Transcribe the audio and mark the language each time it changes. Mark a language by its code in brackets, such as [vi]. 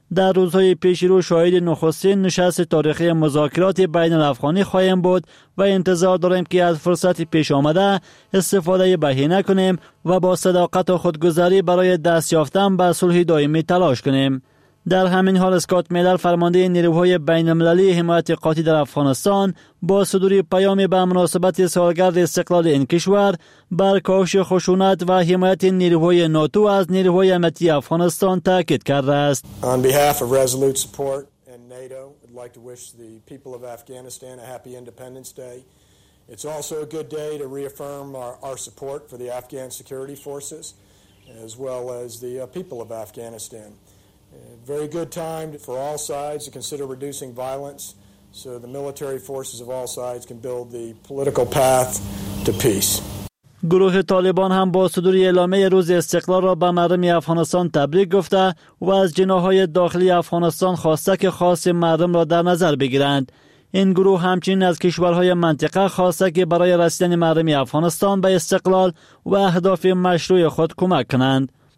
[fa] در روزهای پیش رو شاهد نخستین نشست تاریخی مذاکرات بین الافغانی خواهیم بود و انتظار داریم که از فرصت پیش آمده استفاده بهینه کنیم و با صداقت و خودگذاری برای دست یافتن به صلح دائمی تلاش کنیم. در همین حال اسکات میلر فرمانده نیروهای بین المللی حمایت قاطی در افغانستان با صدور پیامی به مناسبت سالگرد استقلال این کشور بر کاهش خشونت و حمایت نیروهای ناتو از نیروهای امنیتی افغانستان تاکید کرده است. [en] On behalf of Resolute Support and NATO, I'd like to wish the people of Afghanistan a happy Independence Day. It's also a good day to reaffirm our support for the Afghan security forces as well as the people of Afghanistan. Very good time for all sides to consider reducing violence so the military forces of all sides can build the political path to peace. [fa] گروه طالبان هم با صدور اعلامیه روز استقلال را به مردم افغانستان تبریک گفته و از جناح‌های داخلی افغانستان خواسته که خاص مردم را در نظر بگیرند. این گروه همچنین از کشورهای منطقه خواسته که برای رسیدن مردم افغانستان به استقلال و اهداف مشروع خود کمک کنند.